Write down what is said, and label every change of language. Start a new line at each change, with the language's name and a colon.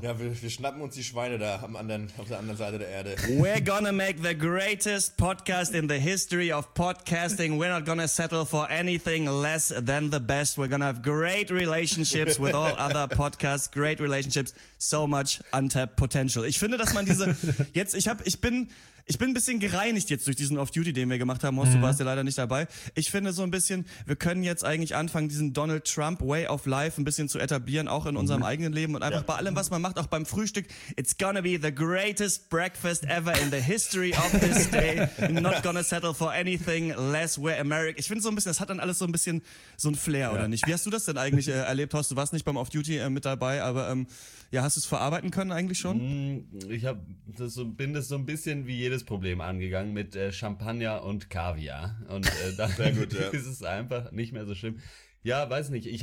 German: Ja, wir schnappen uns die Schweine da auf der anderen Seite der Erde.
English: We're gonna make the greatest podcast in the history of podcasting. We're not gonna settle for anything less than the best. We're gonna have great relationships with all other podcasts. Great relationships. So much untapped potential.
German: Ich finde, dass man diese, jetzt, ich bin ein bisschen gereinigt jetzt durch diesen Off-Duty, den wir gemacht haben. Horst, du warst ja leider nicht dabei. Ich finde so ein bisschen, wir können jetzt eigentlich anfangen, diesen Donald Trump Way of Life ein bisschen zu etablieren, auch in unserem eigenen Leben und einfach bei allem, was man macht, auch beim Frühstück.
English: It's gonna be the greatest breakfast ever in the history of this day. Not gonna settle for anything less. We're American.
German: Ich finde so ein bisschen, das hat dann alles so ein bisschen so ein Flair, ja. Oder nicht? Wie hast du das denn eigentlich erlebt, Horst? Du warst nicht beim Off-Duty mit dabei, aber ja, hast du es verarbeiten können eigentlich schon? Ich bin das so ein bisschen wie jedes Problem angegangen mit Champagner und Kaviar. Und ist es einfach nicht mehr so schlimm. Ja, weiß nicht.